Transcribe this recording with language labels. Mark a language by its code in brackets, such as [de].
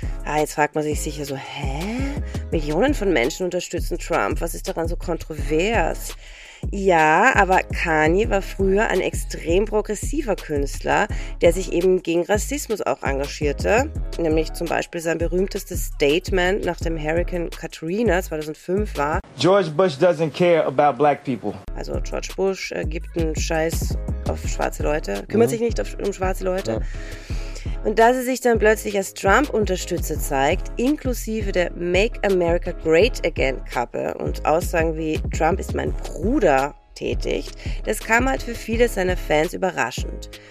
[de] Ah, jetzt fragt man sich sicher so, hä? Millionen von Menschen unterstützen Trump. Was ist daran so kontrovers? Ja, aber Kanye war früher ein extrem progressiver Künstler, der sich eben gegen Rassismus auch engagierte. Nämlich zum Beispiel sein berühmtestes Statement nach dem Hurricane Katrina 2005 war: [en] George Bush doesn't care about black people. [de] Also George Bush gibt einen Scheiß auf schwarze Leute, kümmert sich nicht um schwarze Leute. Und da sie sich dann plötzlich als Trump-Unterstützer zeigt, inklusive der Make America Great Again-Kappe und Aussagen wie Trump ist mein Bruder tätigt, das kam halt für viele seiner Fans überraschend.